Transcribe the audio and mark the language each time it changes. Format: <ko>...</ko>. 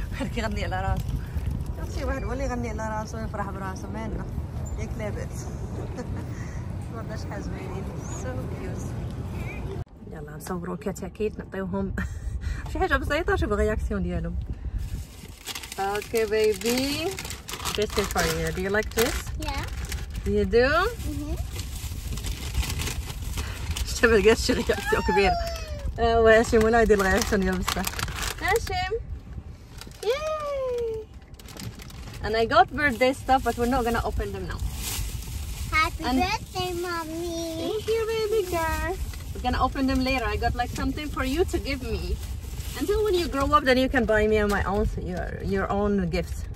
<ar>واحد كيغني على راسو، شي واحد هو اللي يغني على راسو ويفرح براسو، مالنا ياك لاباس. تبارك شحال زوينين،</ar> <en>So cute.</en> <ar>يلا نصورو كتاكيت، نعطيوهم شي حاجة بسيطة نشوف الرياكسيون ديالهم.</ar> <en>Okay baby, this is for you. Do you like this? Yeah. You do?</en> <ar>شوف لقيت شي رياكسيون كبير. ايوا هاشم ولا يدير الرياكسيون ديال بصح.</ar> <en>هاشم yay, and I got birthday stuff but we're not gonna open them now. Happy birthday mommy. Thank you baby girl. We're gonna open them later. I got like something for you to give me. Until when you grow up then you can buy me and my own your own gifts.</en>